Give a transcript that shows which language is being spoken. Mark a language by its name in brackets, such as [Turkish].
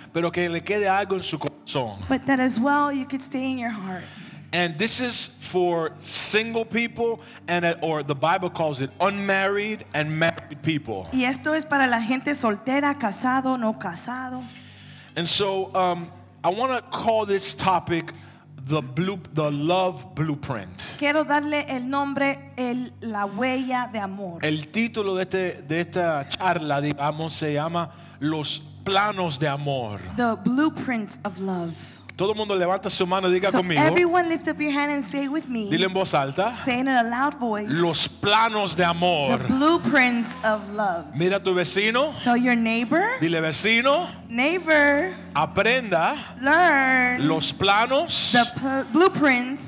[Spanish] Pero que le quede algo en su corazón. [English] But that as well you could stay in your heart. And this is for single people, or the Bible calls it unmarried and married people. [Spanish] Y esto es para la gente soltera, casado, no casado. [English] And so I want to call this topic the love blueprint. [Spanish] Quiero darle el nombre la huella de amor. El título de esta charla, digamos, se llama Los planos de amor. [English] The blueprints of love. [Spanish] Todo el mundo levanta su mano y diga so conmigo. [English] Everyone lift up your hand and say with me. [Spanish] Dile en voz alta. [English] Say in a loud voice. [Spanish] Los planos de amor. [English] The blueprints of love. [Spanish] Mira tu vecino. [English] Tell your neighbor. [Spanish] Dile vecino. [English] Neighbor. [Spanish] Aprenda. [English] Learn. [Spanish] Los planos. [English] The blueprints.